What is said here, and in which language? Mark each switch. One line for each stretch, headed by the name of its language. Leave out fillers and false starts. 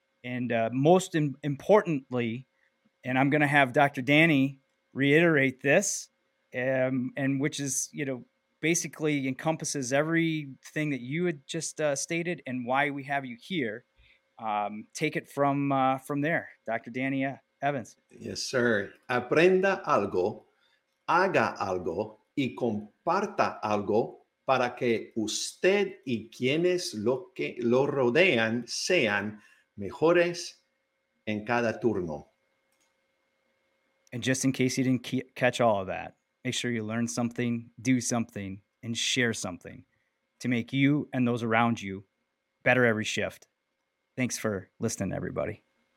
English: And most importantly, and I'm going to have Dr. Danny reiterate this, and which is, you know, basically encompasses everything that you had just stated and why we have you here. Take it from there, Dr. Danny Evans. Yes, sir.
Spanish: Aprenda algo, haga algo, y comparta algo para que usted y quienes lo rodean sean mejores en cada turno.
English: And just in case you didn't catch all of that, make sure you learn something, do something, and share something to make you and those around you better every shift. Thanks for listening, everybody.